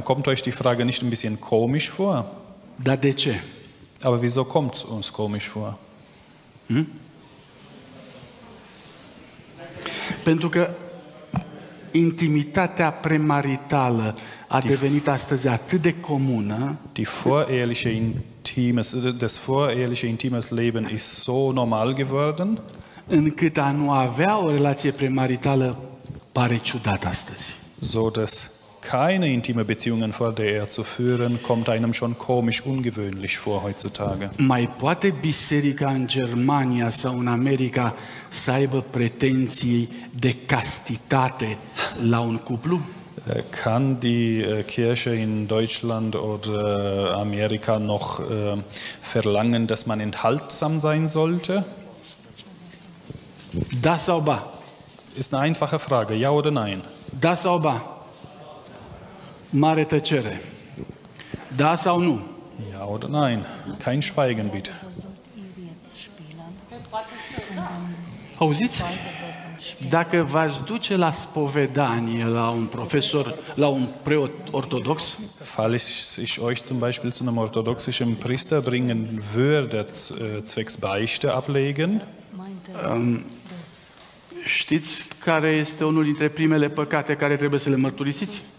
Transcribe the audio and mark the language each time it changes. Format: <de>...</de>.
<de>Kommt euch die Frage nicht ein bisschen komisch vor?</de> <ro>Da de ce?</ro> <de>Aber wieso kommt es uns komisch vor?</de> <ro>Pentru că intimitatea premaritală a devenit astăzi atât de comună.</ro> <de>Die voreheliche intimes, das voreheliche intimes Leben ist so normal geworden.</de> <ro>Încât a nu avea o relație premaritală pare ciudat astăzi.</ro> <de>So dass keine intime Beziehungen vor der Ehe zu führen, kommt einem schon komisch ungewöhnlich vor heutzutage.</de> <ro>Mai poate biserica în Germania sau în America să aibă pretenții de castitate la un cuplu?</ro> <de>Kann die Kirche in Deutschland oder Amerika noch verlangen, dass man enthaltsam sein sollte?</de> <ro>Da sau ba?</ro> <de>Ist eine einfache Frage, ja oder nein?</de> <ro>Da sau ba? Mare tăcere. Da sau nu?</ro> <de>Ja oder nein. Kein Schweigen bitte.</de> <ro>Auziți? Dacă v-aș duce la spovedanie la un profesor, la un preot ortodox,</ro> <de>falls ich euch zum Beispiel zu einem orthodoxischen Priester bringen würde, zwecks Beichte ablegen,</de> <ro>știți care este unul dintre primele păcate care trebuie să le mărturisiți?</ro>